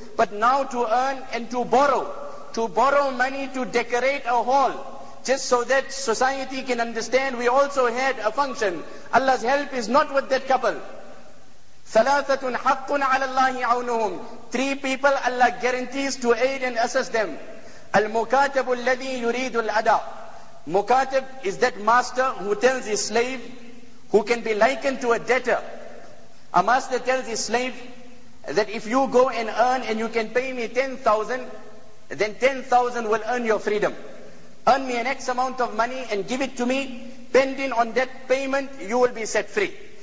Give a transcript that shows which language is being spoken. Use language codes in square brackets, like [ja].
[en] But now to earn and to borrow money to decorate a hall, just so that society can understand we also had a function, Allah's help is not with that couple. [ar] ثَلَاثَةٌ حَقٌ عَلَى اللَّهِ عَوْنُهُمْ. [en] Three people Allah guarantees to aid and assist them. [ar] المكاتب الذي يريد الأداء. [en] Mukatib is that master who tells his slave, who can be likened to a debtor. A master tells his slave that if you go and earn and you can pay me 10,000, then 10,000 will earn your freedom. Earn me an X amount of money and give it to me. Pending on that payment, you will be set free.